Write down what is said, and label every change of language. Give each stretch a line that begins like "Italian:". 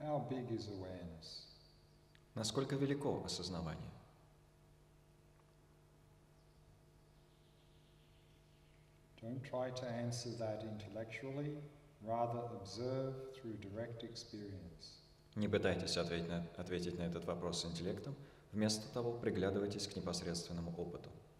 English: big is awareness?
Russian: Насколько велико осознавание?
English: Don't try to answer that intellectually, rather observe through direct experience.
Russian: Не пытайтесь ответить на этот вопрос интеллектом, вместо того приглядывайтесь к непосредственному опыту.